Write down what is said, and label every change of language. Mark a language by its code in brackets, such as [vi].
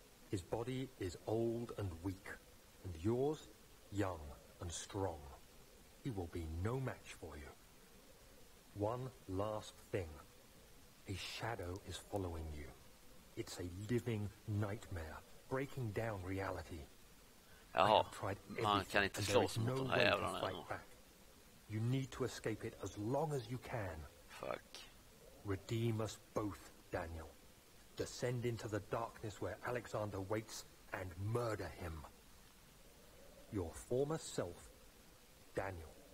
[en] His body is old and weak, and yours, young and strong. He will be no match for you. One last thing. A shadow is following you. It's a living nightmare, breaking down reality. [sv] Jaha, man kan inte slå sig mot den här jävlarna. [en] You need to escape it as long as you can. Fuck. Redeem us both, Daniel. Descend into the darkness where Alexander waits and murder him. Your former self, Daniel.